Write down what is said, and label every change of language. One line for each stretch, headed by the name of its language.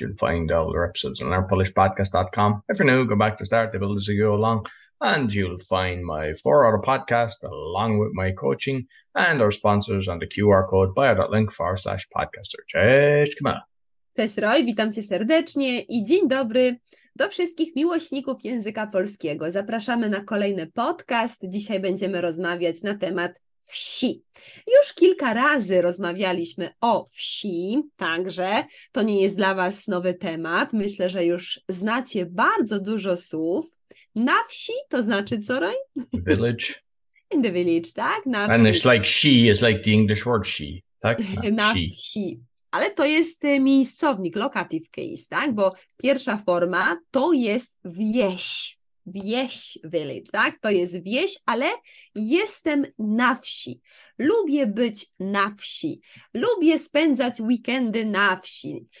English: You can find all our episodes on learnpolishpodcast.com. If you're new, go back to start, the build as you go along, and you'll find my 4-hour podcast along with my coaching and our sponsors on the QR code bio.link/podcaster.
Polish: Cześć, Kamila. Cześć Roy, witam Cię serdecznie i dzień dobry do wszystkich miłośników języka polskiego. Zapraszamy na kolejny podcast. Dzisiaj będziemy rozmawiać na temat wsi. Już kilka razy rozmawialiśmy o wsi, także to nie jest dla Was nowy temat. Myślę, że już znacie bardzo dużo słów. Na wsi to znaczy co, Roy?
English: Village. In the village,
Polish: tak? Na wsi.
English: And it's like she is like the English word she,
Polish: tak? Na wsi. Ale to jest miejscownik,
English: locative case,
Polish: tak? Bo pierwsza forma to jest wieś. Wieś,
English: village,
Polish: tak? To jest wieś, ale jestem na wsi. Lubię być na wsi. Lubię spędzać weekendy na wsi.